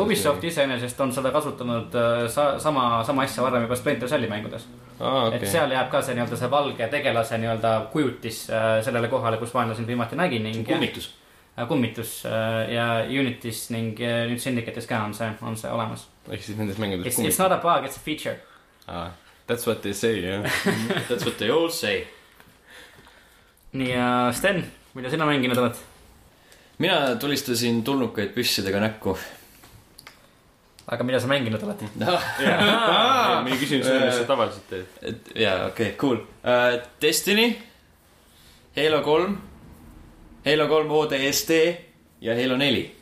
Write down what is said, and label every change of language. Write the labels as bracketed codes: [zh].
[et] Ubisoft iseenesest on seda kasutanud sama asja varrem juba Splinter Celli mängudes. Okay. Et seal jääb ka see nii-öelda see valge tegelase nii-öelda kujutis sellele kohale, kus vaenlane siin viimati nägi. Ning, kummitus. Kummitus ja Unitys ning nüüd Syndicates ka on see olemas. Ehk siis nendes mängudes kummitus? [en] It's not a bug, it's a feature. That's what they say, yeah. That's what they all say. [et] Nii, Sten, mida sina mänginud oled? Mina tulistasin tulnukaid püssidega näkku. Aga mida sa mänginud oled? Minu küsimus on, mis sa tavaliselt teed. Okei, cool. Destiny, Halo 3, Halo 3 ODST ja Halo 4.